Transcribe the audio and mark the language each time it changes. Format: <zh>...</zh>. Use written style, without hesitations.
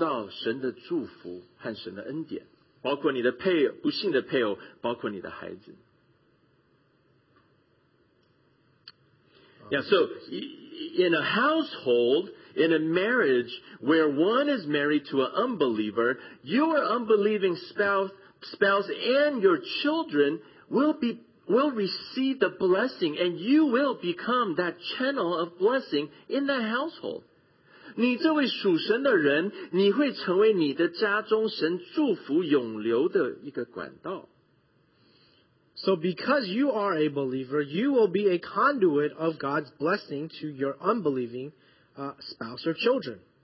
<zh>一个信徒跟一个不信的配偶在一起所组成的婚姻结的结合和组成的家庭，会因为你这位神的儿女而受到神的祝福和神的恩典。包括你的配偶，不幸的配偶，包括你的孩子。</zh> <en>Yeah, so in a household, in a marriage where one is married to an unbeliever, your unbelieving spouse and your children will receive the blessing, and you will become that channel of blessing in that household.</en> <zh>你这位属神的人，你会成为你的家中神祝福永留的一个管道。</zh> <en>So because you are a believer, you will be a conduit of God's blessing to your unbelieving spouse or children.</en>